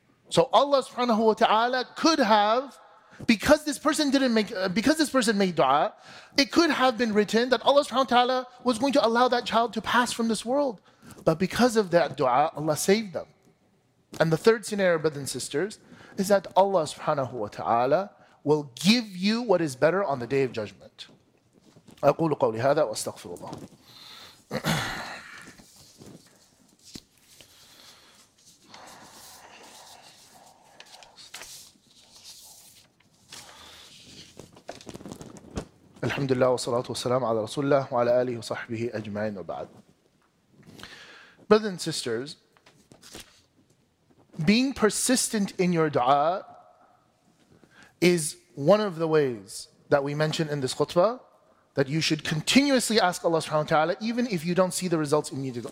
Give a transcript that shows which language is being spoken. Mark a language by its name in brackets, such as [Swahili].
[English] So Allah subhanahu wa ta'ala could have, because this person made dua, it could have been written that Allah subhanahu wa ta'ala was going to allow that child to pass from this world. But because of that dua, Allah saved them. And the third scenario, brothers and sisters, is that Allah subhanahu wa ta'ala will give you what is better on the Day of Judgment. [Arabic] أقول قولي هذا وأستغفر الله. الحمد لله والصلاة والسلام على رسول الله وعلى آله وصحبه أجمعين وبعد. [English] Brothers and sisters, being persistent in your dua is one of the ways that we mentioned in this khutbah, that you should continuously ask Allah subhanahu wa ta'ala, even if you don't see the results immediately.